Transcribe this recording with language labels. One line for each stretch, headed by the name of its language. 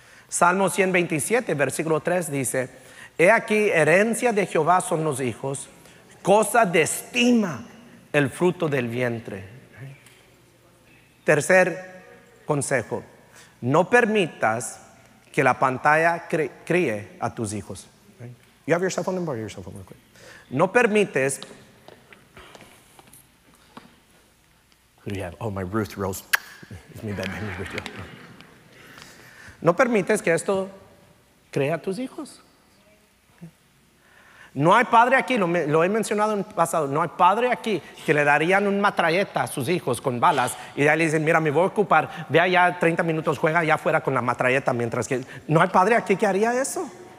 Spanish: Salmo 127, versículo 3 dice: he aquí, herencia de Jehová son los hijos, cosa de estima el fruto del vientre. Tercer consejo: no permitas que la pantalla críe a tus hijos.
English: You have your cell phone, borrow your cell phone real quick.
Spanish: No permites.
English: Who do you have? Oh, my Ruth Rose. It's my baby.
Spanish: No permites que esto cree a tus hijos. No hay padre aquí, lo he mencionado en el pasado, no hay padre aquí que le darían un matralleta a sus hijos con balas y ya le dicen: mira, me voy a ocupar, ve allá 30 minutos, juega allá afuera con la matralleta mientras que... No hay padre aquí que haría eso.